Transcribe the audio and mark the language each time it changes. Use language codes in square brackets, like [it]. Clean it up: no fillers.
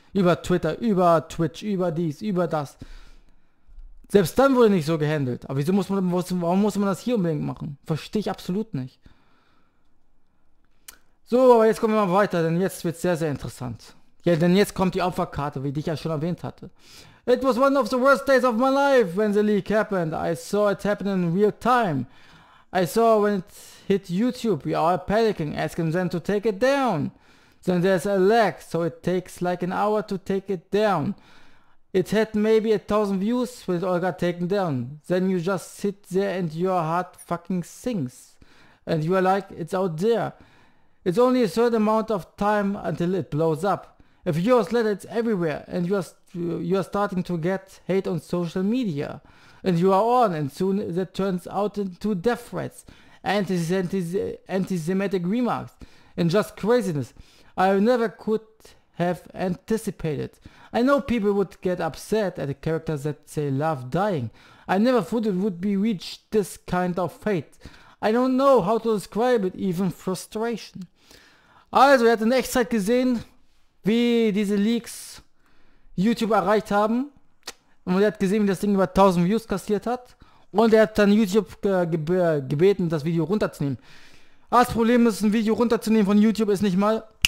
[de] Über Twitter, über Twitch, über dies, über das. Selbst dann wurde nicht so gehandelt. Aber warum muss man das hier unbedingt machen? Verstehe ich absolut nicht. So, aber jetzt kommen wir mal weiter, denn jetzt wird es sehr, sehr interessant. Ja, denn jetzt kommt die Opferkarte, wie ich ja schon erwähnt hatte. [en] It was one of the worst days of my life when the leak happened. I saw it happen in real time. I saw when it hit YouTube, we are panicking, asking them to take it down. Then there's a lag, so it takes like an hour to take it down. It had maybe 1,000 views when it all got taken down. Then you just sit there and your heart fucking sings. And you are like, it's out there. It's only a certain amount of time until it blows up. A few hours later, it's everywhere, and you are starting to get hate on social media, and you are on, and soon that turns out into death threats, anti-Semitic remarks, and just craziness. I never could have anticipated. I know people would get upset at a character that they love dying. I never thought it would be reached this kind of fate. I don't know how to describe it, even frustration. [de] Also, er hat in Echtzeit gesehen, wie diese Leaks YouTube erreicht haben. Und er hat gesehen, wie das Ding über 1000 Views kassiert hat. Und er hat dann YouTube gebeten, das Video runterzunehmen. Das Problem ist, ein Video runterzunehmen von YouTube ist nicht mal